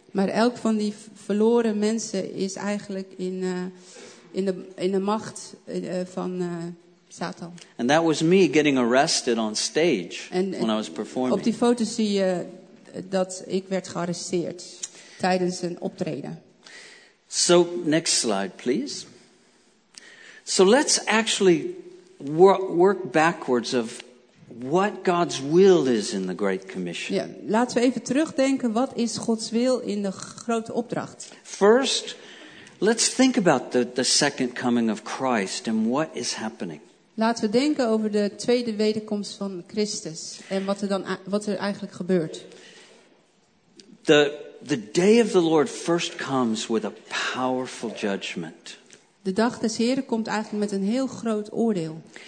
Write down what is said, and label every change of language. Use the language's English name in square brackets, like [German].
[Dutch] Maar elk van die verloren mensen is eigenlijk in de macht van Satan. [English] And that was me getting arrested on stage when I was performing. [Dutch] Op die foto zie je dat ik werd gearresteerd tijdens een optreden. [English] So, next slide, please. So let's actually work backwards of what God's will is in the Great Commission. [Dutch] Ja, laten we even terugdenken. Wat is Gods wil in de grote opdracht? [English] First, let's think about the second coming of Christ and what is happening. [Dutch] Laten we denken over de tweede wederkomst van Christus en wat er eigenlijk gebeurt. [English] The day of the Lord first comes with a powerful judgment. [Dutch] De dag des Heren komt eigenlijk met een heel groot oordeel.